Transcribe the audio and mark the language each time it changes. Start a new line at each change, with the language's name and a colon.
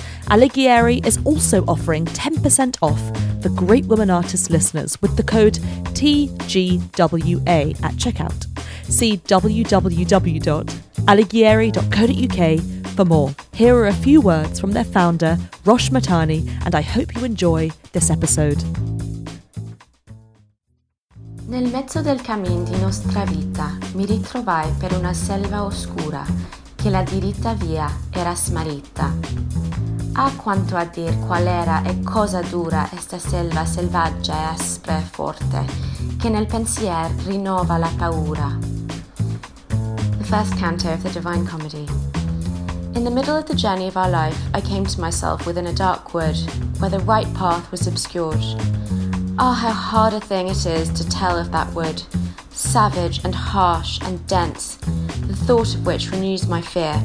English: Alighieri is also offering 10% off for Great Woman Artist listeners with the code TGWA at checkout. See www.alighieri.co.uk for more. Here are a few words from their founder, Rosh Matani, and I hope you enjoy this episode.
Italian: Nel mezzo del cammin di nostra vita mi ritrovai per una selva oscura che la diritta via era smarrita. Ah, quanto a dir qual era e cosa dura esta selva selvaggia e aspra e forte che nel pensier rinnova la paura.
English: The first canto of the Divine Comedy. In the middle of the journey of our life, I came to myself within a dark wood where the right path was obscured. Oh, how hard a thing it is to tell of that wood, savage and harsh and dense, the thought of which renews my fear.